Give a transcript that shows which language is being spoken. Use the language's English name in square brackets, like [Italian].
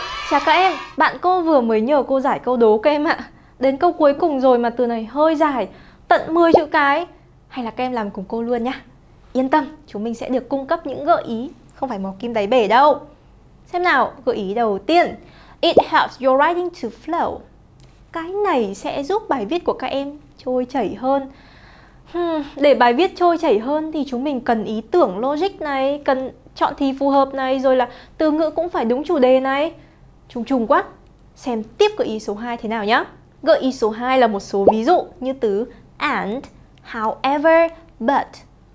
[Vietnamese] Chào các em, bạn cô vừa mới nhờ cô giải câu đố các em ạ. Đến câu cuối cùng rồi mà từ này hơi dài, tận 10 chữ cái. Hay là các em làm cùng cô luôn nhá. Yên tâm, chúng mình sẽ được cung cấp những gợi ý, không phải mò kim đáy bể đâu. Xem nào, gợi ý đầu tiên. [English] It helps your writing to flow. [Vietnamese] Cái này sẽ giúp bài viết của các em trôi chảy hơn. Để bài viết trôi chảy hơn thì chúng mình cần ý tưởng logic này, cần chọn thì phù hợp này, rồi là từ ngữ cũng phải đúng chủ đề này. Trùng trùng quá. Xem tiếp gợi ý số 2 thế nào nhá. Gợi ý số 2 là một số ví dụ như từ and, however, but.